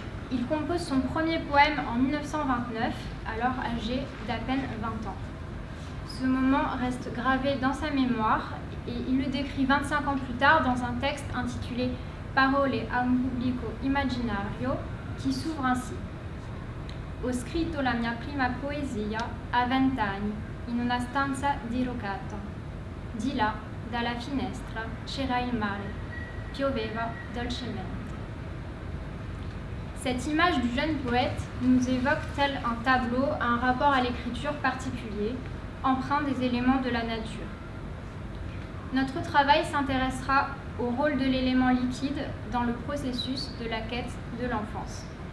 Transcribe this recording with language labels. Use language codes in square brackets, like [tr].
[fr] Il compose son premier poème en 1929, alors âgé d'à peine 20 ans. Ce moment reste gravé dans sa mémoire et il le décrit 25 ans plus tard dans un texte intitulé « Parole a un pubblico immaginario » qui s'ouvre ainsi. [it] Ho scritto la mia prima poesia a 20 anni in una stanza dirocata. Di là, dalla finestra, c'era il mare. Pioveva dolcemente. [fr] Cette image du jeune poète nous évoque tel un tableau, un rapport à l'écriture particulier, emprunt des éléments de la nature. Notre travail s'intéressera au rôle de l'élément liquide dans le processus de la quête de l'enfance.